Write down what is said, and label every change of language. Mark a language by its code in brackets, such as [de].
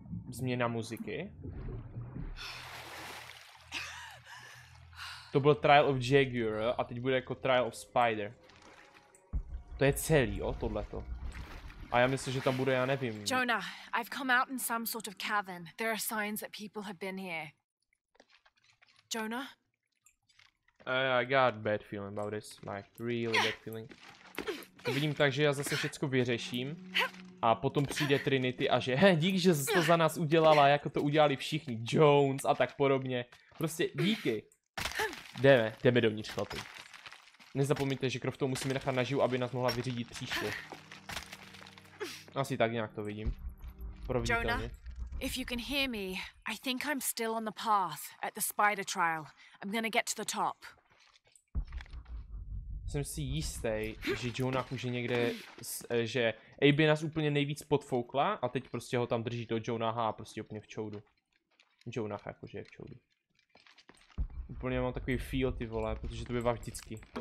[cs] Změna muziky. To byl Trial of Jaguar a teď bude jako Trial of Spider. To je celý, jo, tohleto. A já myslím, že tam bude, já nevím. [en] Jonah, I've come out in some sort of cavern. There are signs that people have been here. Jonah? I got bad feeling about this. Like, really bad feeling. [cs] To vidím tak, že já zase všecko vyřeším. A potom přijde Trinity a že, dík, že jsi to za nás udělala, jako to udělali všichni. Jones a tak podobně. Prostě díky. Jdeme dovnitř, chlapi. Nezapomeňte, že Croftou musíme nechat naživu, aby nás mohla vyřídit příště. Asi tak nějak to vidím. Providitelně. [en] Jonah, if you can hear me, I think I'm still on the path at the spider trial. I'm gonna get to the top. [cs] Jsem si jistý, že Jonah už je někde, že Abby nás úplně nejvíc podfoukla a teď prostě ho tam drží toho Jonaha a prostě úplně v čoudu. Jonah jakože je v čoudu. Úplně mám takový feel, ty vole, protože to bývá vždycky.